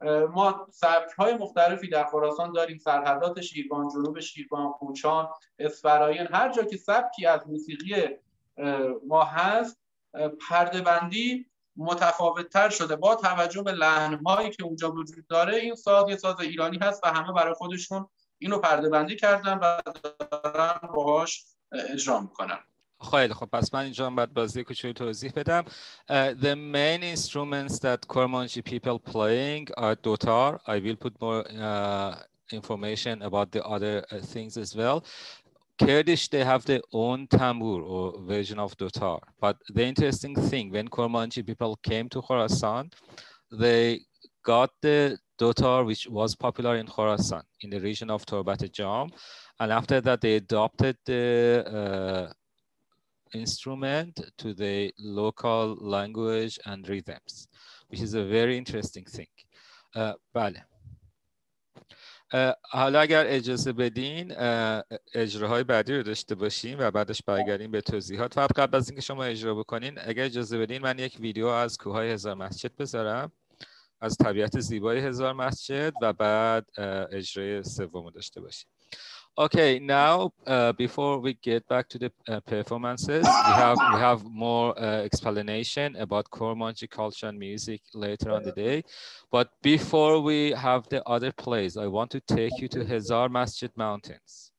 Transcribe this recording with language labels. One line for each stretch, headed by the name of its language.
Persian: ما سبک های مختلفی در خراسان داریم، سرحدات شیروان، جنوب شیروان، قوچان، اصفراین، هر جا که سبکی از موسیقی ما هست پرده بندی متفاوت تر شده با توجه به لحن هایی که اونجا وجود داره. این ساز یه ساز ایرانی هست و همه برای خودشون اینو پرده بندی کردن و دارن باهاش اجرا میکنم. خیلی خب، پس من اینجا باید بازی کوچولو توضیح بدم.
English: The main instruments that Kurmanji people playing are dotar. I will put more information about the other things as well. Kurdish, they have their own tambur or version of dotar. But the interesting thing, when Kurmanji people came to Khorasan, they got the dotar, which was popular in Khorasan, in the region of Torbat-e-Jam. And after that, they adopted the instrument to the local language and rhythms, which is a very interesting thing.
Persian: Bale. حالا اگر اجازه بدین اجراهای بعدی رو داشته باشیم و بعدش برگردیم به توضیحات. فقط قبل از اینکه شما اجرا بکنین، اگر اجازه بدین من یک ویدیو از کوههای هزار مسجد بذارم، از طبیعت زیبای هزار مسجد، و بعد اجرای سوم رو داشته باشیم.
English: Okay, now before we get back to the performances, we have more explanation about Kurmanji culture and music later on the day. But before we have the other plays, I want to take you to Hazar Masjid Mountains.